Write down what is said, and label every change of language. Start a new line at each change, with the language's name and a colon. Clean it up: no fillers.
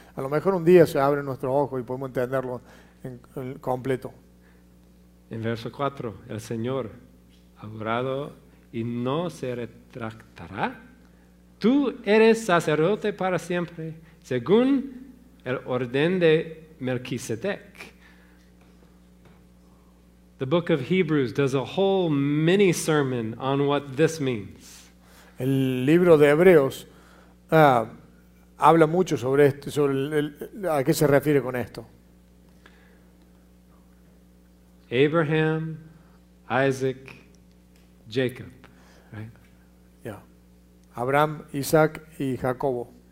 Spanish: A lo mejor un día se abren nuestros ojos y podemos entenderlo en completo. En verso 4, el Señor ha jurado y no se retractará. Tú eres sacerdote para siempre, según el orden de Melquisedec.
English: The book of Hebrews does a whole mini sermon on what this means.
Spanish: El libro de Hebreos habla mucho sobre esto, sobre a qué se refiere con esto.
English: Abraham, Isaac, Jacob, right?
Spanish: Yeah. Abraham, Isaac y Jacobo.